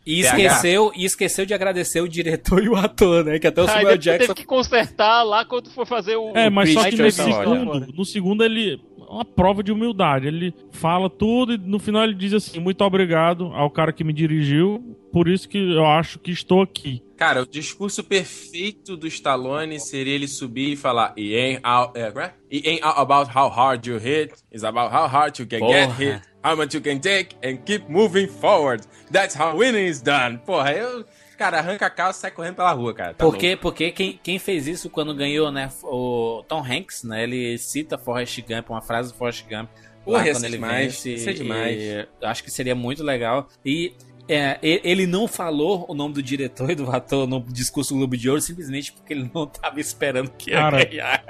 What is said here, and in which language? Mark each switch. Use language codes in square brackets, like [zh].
[pt] E esqueceu de agradecer o diretor e o ator, né? Que até o Samuel Jackson... teve que consertar lá quando foi fazer o... Mas só que no segundo ele... Uma prova de humildade. Ele fala tudo e no final ele diz assim, muito obrigado ao cara que me dirigiu, por isso que eu acho que estou aqui. Cara, o discurso perfeito do Stallone seria ele subir e falar [en] It ain't about how hard you hit, it's about how hard you can get hit, how much you can take and keep moving forward. That's how winning is done. [pt] Porra, cara, arranca a calça e sai correndo pela rua, cara. Tá porque louco. Porque quem fez isso quando ganhou, né, o Tom Hanks, né, ele cita Forrest Gump, uma frase do Forrest Gump. Porra, isso é demais. Acho que seria muito legal. E Ele não falou o nome do diretor e do ator no discurso Globo de Ouro, simplesmente porque ele não tava esperando que ia ganhar.